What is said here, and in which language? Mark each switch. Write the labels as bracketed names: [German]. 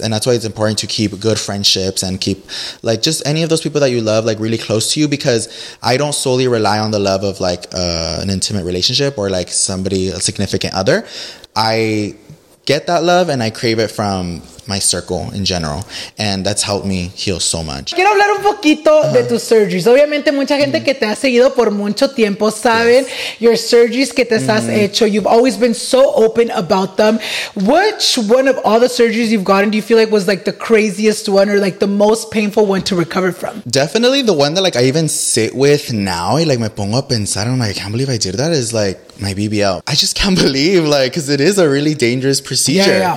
[English] And that's why it's important to keep good friendships and keep like just any of those people that you love like really close to you, because I don't solely rely on the love of like an intimate relationship or like somebody, a significant other. I get that love and I crave it from my circle in general, and that's helped me heal so much. [Spanish] Quiero hablar un poquito uh-huh. de tus surgeries. Obviamente mucha gente que te ha seguido por mucho tiempo saben yes. [English] your surgeries [Spanish] que te has hecho. [English] You've always been so open about them. Which one of all the surgeries you've gotten do you feel like was like the craziest one, or like the most painful one to recover from? Definitely the one that like I even sit with now, y like [Spanish] me pongo a pensar, [English] I'm like, I can't believe I did that, is like my BBL. I just can't believe, like, because it is a really dangerous procedure.